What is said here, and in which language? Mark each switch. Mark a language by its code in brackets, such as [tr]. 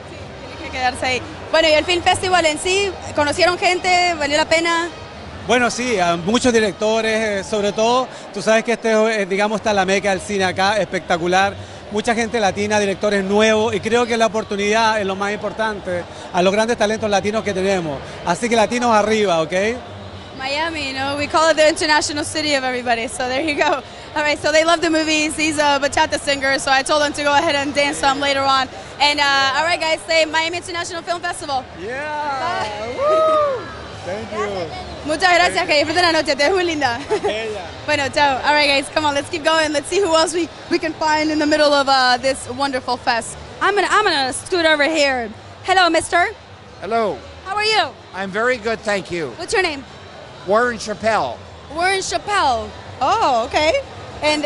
[es] Sí, tiene que quedarse ahí. Bueno, ¿y el Film Festival en sí? ¿Conocieron gente? ¿Valió la pena? Bueno, sí, a muchos directores, sobre todo. Tú sabes que este, digamos, está la meca del cine acá, espectacular. Mucha gente latina, directores nuevos, y creo que la oportunidad es lo más importante a los grandes talentos latinos que tenemos. Así que latinos arriba, ¿ok? [en] Miami, you know, we call it the international city of everybody, so there you go. All right, so they love the movies. He's a bachata singer, so I told him to go ahead and dance some later on. And all right, guys, say Miami International Film Festival. Yeah! Woo! Thank you. [es] Muchas gracias, que disfruten la noche, te ves muy linda. Bueno, chao. [en] All right, guys, come on, let's keep going. Let's see who else we can find in the middle of this wonderful fest. I'm gonna scoot over here. Hello, mister. Hello. How are you? I'm very good, thank you. What's your name? Warren Chappelle. Warren Chappelle. Oh, okay. And